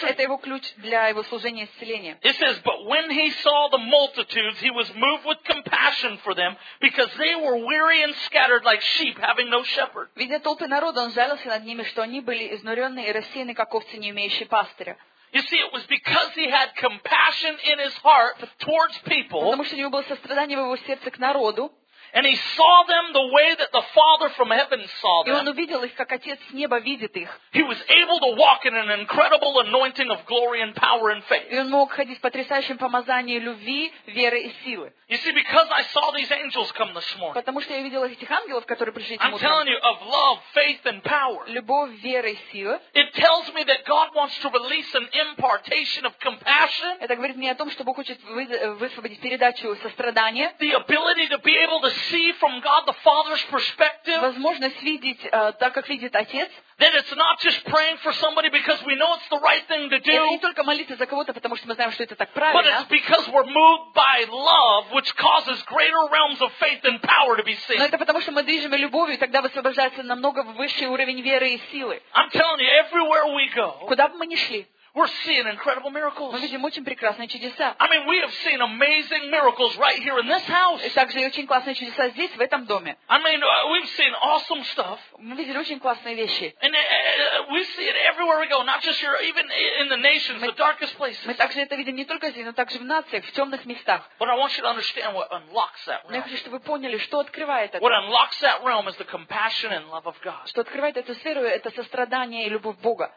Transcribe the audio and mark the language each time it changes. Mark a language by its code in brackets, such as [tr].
[ru] Вот это его ключ для его служения исцеления. [en] It says, but when he saw the multitudes, he was moved with compassion for them, because they were weary and scattered like sheep, having no shepherd. [ru] Видя толпы народа, он жалился над ними, что они были изнурены и рассеяны, как овцы, не имеющие пастыря. [en] You see, it was because he had compassion in his heart towards people. [ru] Потому что у него было сострадание в его сердце к народу. [en] And he saw them the way that the Father from heaven saw them. [ru] И он увидел их, как отец с неба видит их. [en] He was able to walk in an incredible anointing of glory and power and faith. [ru] И он мог ходить в потрясающем помазании любви, веры и силы. [en] You see, because I saw these angels come this morning. [ru] Потому что я видел этих ангелов, которые пришли сегодня. [en] I'm telling you of love, faith and power. [ru] Любовь, вера и сила. [en] It tells me that God wants to release an impartation of compassion. [ru] Это говорит мне о том, что Бог хочет высвободить передачу сострадания. [en] The ability to be able to see from God the Father's perspective. [ru] Возможность видеть так, как видит отец. [en] That it's not just praying for somebody because we know it's the right thing to do. [ru] Это не только молиться за кого-то, потому что мы знаем, что это так правильно. [en] But it's because we're moved by love, which causes greater realms of faith and power to be seen. [ru] Но это потому, что мы движимы любовью, и тогда высвобождается намного высший уровень веры и силы. [en] I'm telling you, everywhere we go. [ru] Куда бы мы ни шли. [en] We're seeing incredible miracles. [ru] Мы видим очень прекрасные чудеса. [en] I mean, we have seen amazing miracles right here in this house. [ru] И также очень классные чудеса здесь, в этом доме. [en] I mean, we've seen awesome stuff. [ru] Мы видели очень классные вещи. [en] And we see it everywhere we go, not just here, even in the nations, the darkest places. [ru] Мы также это видим не только здесь, но также в нациях, в темных местах. [en] But I want you to understand what unlocks that realm. [ru] Я хочу, чтобы вы поняли, что открывает это. [en] What unlocks that realm is the compassion and love of God. [ru] Что открывает эту сферу, это сострадание и любовь Бога.